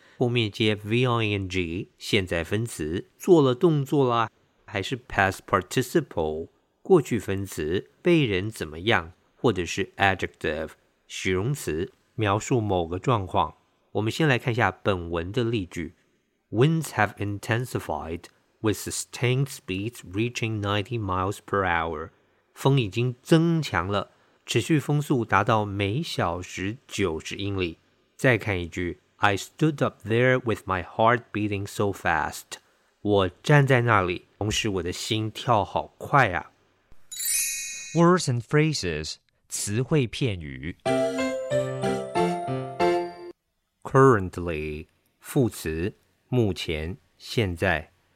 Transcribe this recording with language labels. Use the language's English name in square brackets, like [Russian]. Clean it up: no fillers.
[Chinese] 后面接 ving 现在分词，做了动作啦，还是 [English] past participle [Chinese] 过去分词，被人怎么样，或者是 adjective 形容词，描述某个状况。我们先来看一下本文的例句。 [English] Winds have intensified with sustained speeds reaching 90 miles per hour. [Chinese] 风已经增强了，持续风速达到每小时90英里。再看一句， [English] I stood up there with my heart beating so fast. [Chinese] 我站在那里，同时我的心跳好快啊。 [English] Words and phrases, [Chinese] 词汇片语。 Currently, 副词，目前，现在。